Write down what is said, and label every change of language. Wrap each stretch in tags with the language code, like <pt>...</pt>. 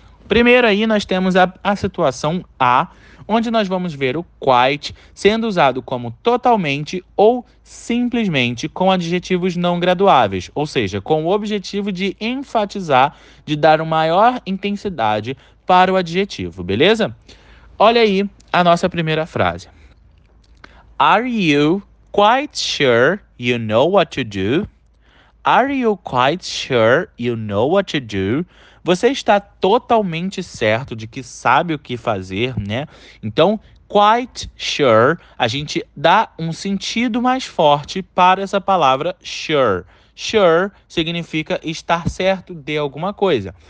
<pt>Primeiro aí nós temos a situação A, onde nós vamos ver o quite sendo usado como totalmente ou simplesmente com adjetivos não graduáveis, ou seja, com o objetivo de enfatizar, de dar uma maior intensidade para o adjetivo, beleza? Olha aí a nossa primeira frase.</pt> <en>Are you quite sure you know what to do? Are you quite sure you know what to do?</en> <pt>Você está totalmente certo de que sabe o que fazer, né? Então, quite sure, a gente dá um sentido mais forte para essa palavra sure. Sure significa estar certo de alguma coisa.</pt>